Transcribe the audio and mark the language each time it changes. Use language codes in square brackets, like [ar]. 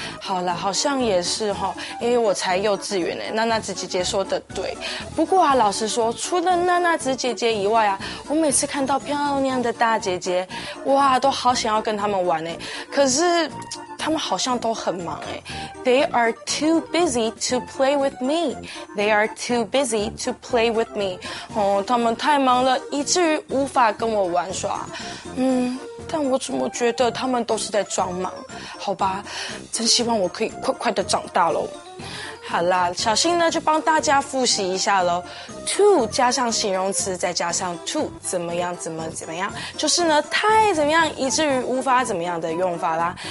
[zh] 好啦，好像也是哈、哦，因为我才幼稚园呢。娜娜子姐姐说的对，不过啊，老实说，除了娜娜子姐姐以外啊，我每次看到漂亮的大姐姐，哇，都好想要跟他们玩哎，可是他们好像都很忙哎。 [en] They are too busy to play with me. They are too busy to play with me. [zh] 哦，他们太忙了，以至于无法跟我玩耍。但我怎么觉得他们都是在装忙？好吧，真希望我可以快快的长大喽。好啦，小新呢就帮大家复习一下咯。To 加上形容词再加上 to 怎么样怎么怎么样，就是呢太怎么样以至于无法怎么样的用法啦。